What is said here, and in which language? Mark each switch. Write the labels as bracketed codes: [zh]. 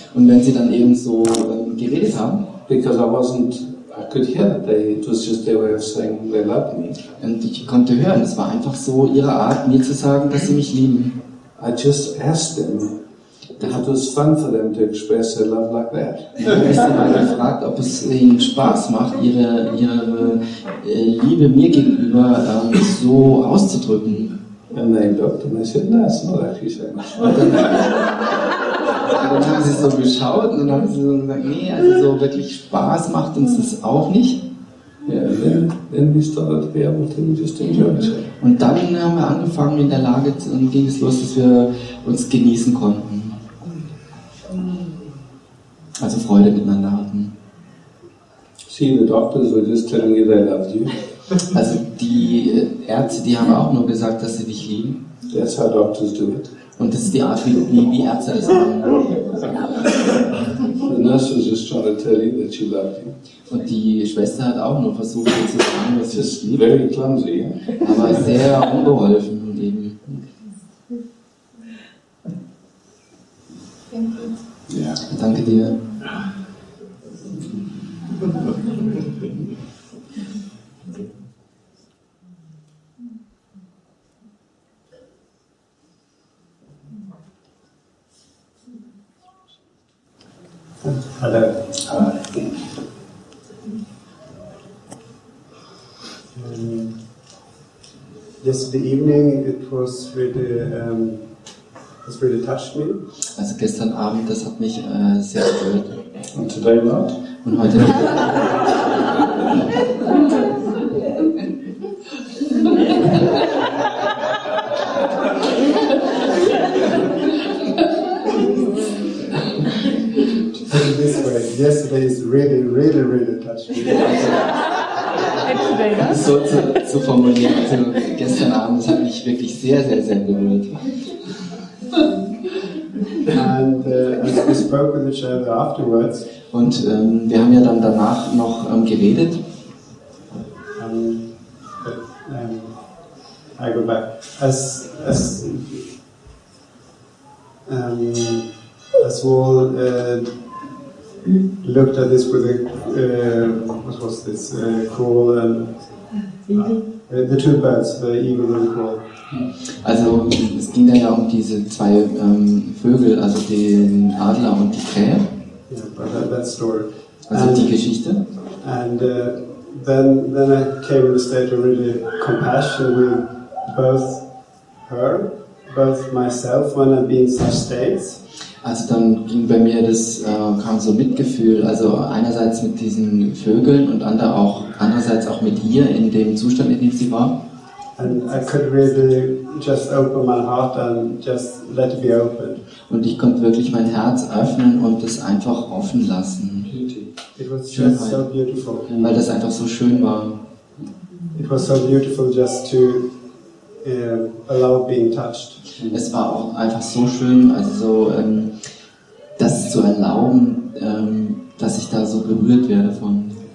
[de] und wenn sie dann eben so geredet haben, [en] because I could hear that it was just their way of saying they loved me. [de] Und ich konnte hören, es war einfach so ihre Art, mir zu sagen, dass sie mich lieben. [en] I just asked them. It was fun for them to express their love like that. [de] Ich habe sie mal gefragt, ob es ihnen Spaß macht, ihre Liebe mir gegenüber so auszudrücken. [en] And they looked and they said, no, it's not actually so much. [de] Dann haben sie so geschaut und dann haben sie so gesagt, nee, also so wirklich Spaß macht uns das auch nicht. [en] Yeah, then we started to be able to just enjoy each other. [de] Und dann haben wir angefangen in der Lage und ging es los, dass wir uns genießen konnten. Also Freude miteinander hatten. [en] See, the doctors were just telling you they loved you. [de] Also die Ärzte, die haben auch nur gesagt, dass sie dich lieben. [en] That's how doctors do it. [de] Und das ist die Art, wie Ärzte das machen. [en] The nurse was just trying to tell you that she loved you. [de] Und die Schwester hat auch nur versucht, dir zu sagen, dass sie dich lieben. [en] Very clumsy. [de] Aber sehr unbeholfen. Ja. Danke dir. Hallo. [en] Yesterday evening it was really this really touched me. [de] Also gestern Abend, das hat mich sehr berührt. [en] Und today not? [de] Und heute nicht. [en] Put it this way, yesterday is really, really, really touched me. [de] So zu formulieren, also gestern Abend, das hat mich wirklich sehr, sehr, sehr berührt. [en] And we spoke with each other afterwards. [de] Und wir haben ja dann danach noch geredet. [en] I go back as well. Looked at this with a what was this call and. The two birds, the eagle and the crow. [de] Also es ging dann ja um diese zwei Vögel, also den Adler und die Krähe. [en] Yeah, that story. [de] Also and, die Geschichte. [en] And then I came in a state of really compassion with both her, both myself when I'm in such states. [de] Also dann ging bei mir das, kam so Mitgefühl, also einerseits mit diesen Vögeln und andererseits auch mit ihr in dem Zustand, in dem sie war. [en] And I could really just open my heart and just let it be open. [de] Und ich konnte wirklich mein Herz öffnen und es einfach offen lassen. [en] It was just so beautiful. [de] Weil das einfach so schön war. [en] It was so beautiful just to allow being touched. [de] Es war auch einfach so schön, also so, das zu erlauben, dass ich da so berührt werde von.